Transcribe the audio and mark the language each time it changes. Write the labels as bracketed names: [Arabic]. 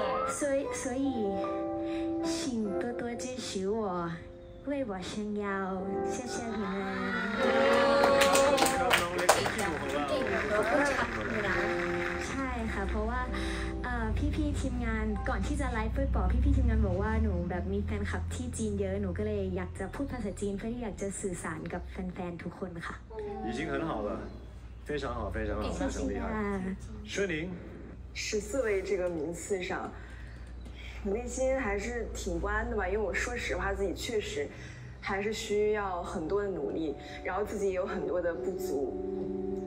[Chinese] 所以请多多支持我，为我撑腰，谢谢你们。 [Thai] ใช่ค่ะเพราะว่าพี่ๆทีมงานก่อนที่จะไลฟ์ไปบอกพี่ๆทีมงานบอกว่าหนูแบบมีแฟนคลับที่จีนเยอะหนูก็เลยอยากจะพูดภาษาจีนเพื่อที่อยากจะสื่อสารกับแฟนๆทุกคนค่ะ [Chinese] 已经很好了，非常好，非常好，非常厉害。顺宁。十四位这个名次上，我内心还是挺不安的吧，因为我说实话自己确实还是需要很多的努力，然后自己也有很多的不足。